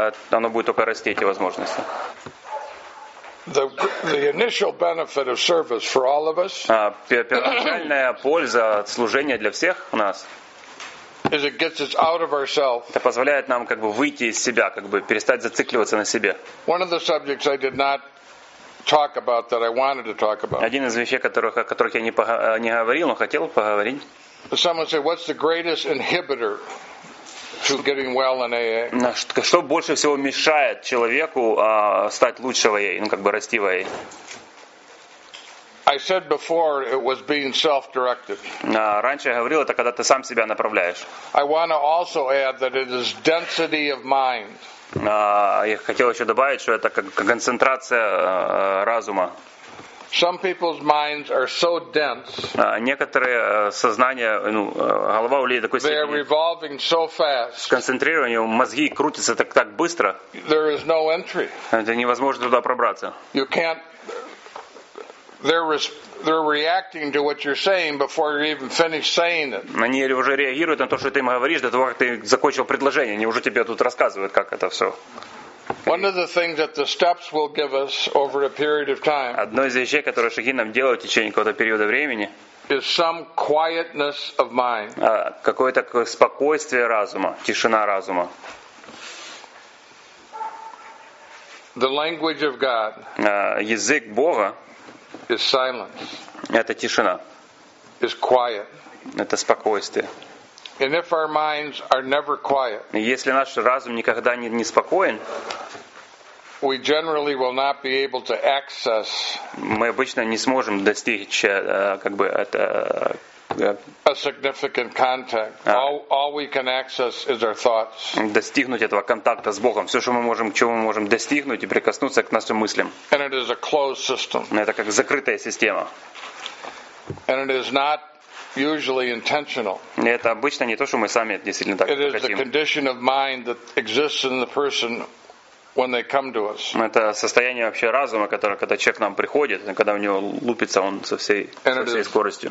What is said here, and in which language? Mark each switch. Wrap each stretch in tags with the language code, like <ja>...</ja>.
<ru>Оно будет только расти, эти возможности.</ru> <en>The initial benefit of service for all of us.</en> <ru>Первоначальная польза от служения для всех у нас.</ru> <en>Is it gets us out of ourselves.</en> <ru>Это позволяет нам как бы выйти из себя, как бы перестать зацикливаться на себе.</ru> <en>One of the subjects I did not talk about that I wanted to talk about.</en> <ru>Один из вещей, о которых я не говорил, но хотел поговорить.</ru> <en>Someone said, "What's the greatest inhibitor?" To getting well in AA.</en> <ru>Что больше всего мешает человеку стать лучше в AA, ну как бы расти в AA?</ru> <en>I said before it was being self-directed.</en> <ru>Раньше я говорил, это когда ты сам себя направляешь.</ru> <en>I want to also add that it is density of mind.</en> <ru>Я хотел еще добавить, что это как концентрация разума.</ru> <en>Some people's minds are so dense.</en> <ru>Некоторые сознания, голова у людей такой степени.</ru> <en>They are revolving so fast.</en> <ru>Сконцентрированные мозги крутятся так быстро.</ru> <en>There is no entry.</en> <ru>Это невозможно туда пробраться.</ru> <en>You can't. They're reacting to what you're saying before you even finish saying it.</en> <ru>Они уже реагируют на то, что ты им говоришь, до того, как ты закончил предложение. Они уже тебе тут рассказывают, как это все.</ru> <en>One of the things that the steps will give us over a period of time.</en> <ru>Одно из вещей, которые шаги нам делают в течение какого-то периода времени.</ru> <en>Is some quietness of mind.</en> <ru>Какое-то спокойствие разума, тишина разума.</ru> <en>The language of God.</en> <ru>Язык Бога.</ru> <en>Is silence.</en> <ru>Это тишина.</ru> <en>Is quiet.</en> <ru>Это спокойствие.</ru> <en>And if our minds are never quiet.</en> <ru>Если наш разум никогда не спокоен.</ru> <en>We generally will not be able to access.</en> <ru>Мы обычно не сможем достичь как бы это.</ru> <en>A significant contact. All we can access is our thoughts.</en> <ru>Достигнуть этого контакта с Богом. Все, что мы можем, к чему мы можем достигнуть и прикоснуться к нашим мыслям.</ru> <en>And it is a closed system.</en> <ru>Это как закрытая система.</ru> <en>And it is not. Usually intentional.</en> <ru>Это обычно не то, что мы сами действительно так хотим.</ru> <en>It is the condition of mind that exists in the person when they come to us.</en> <ru>Это состояние вообще разума, которое когда человек к нам приходит, когда у него лупится он со всей скоростью.</ru>